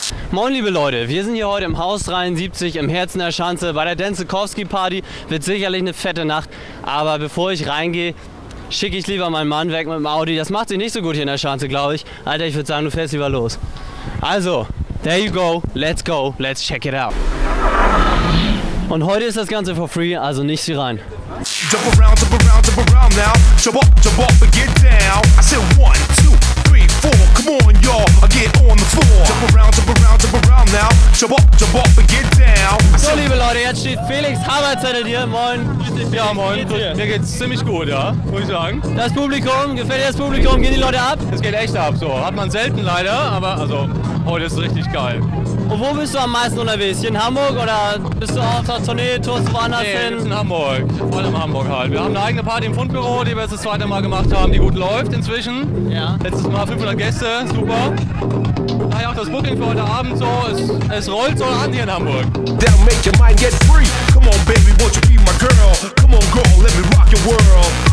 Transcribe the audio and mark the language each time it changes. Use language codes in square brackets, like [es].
[de] Moin liebe Leute, wir sind hier heute im Haus 73 im Herzen der Schanze bei der Danzikowski Party. Wird sicherlich eine fette Nacht, aber bevor ich reingehe, schicke ich lieber meinen Mann weg mit dem Audi. Das macht sich nicht so gut hier in der Schanze, glaube ich. Alter, ich würde sagen, du fährst lieber los. [en] Also, there you go, let's check it out. [de] Und heute ist das Ganze [en] for free, [de] also nicht sie rein. [en] Jump around now, jump up and get down. I said 1, 2, 3, 4, come on y'all, I get on the floor. Jump around, now, jump up and get down. [de] So liebe Leute, jetzt steht Felix Havertz hinter dir, moin. Ja moin, mir geht's ziemlich gut, ja, würde ich sagen. Das Publikum, gefällt dir das Publikum, gehen die Leute ab? Es geht echt ab, so, hat man selten leider, aber also, heute ist richtig geil. Und wo bist du am meisten unterwegs? Hier in Hamburg oder bist du auf der Tournee, tust du woanders hin? Nee, in Hamburg. Voll im Hamburg halt. Wir haben eine eigene Party im Fundbüro, die wir jetzt das zweite Mal gemacht haben, die gut läuft inzwischen. Ja. Letztes Mal 500 Gäste, super. Naja, auch das Booking für heute Abend so, es rollt so an hier in Hamburg. [en] That'll make your mind get free. Come on baby, won't you be my girl? Come on girl, let me rock your world.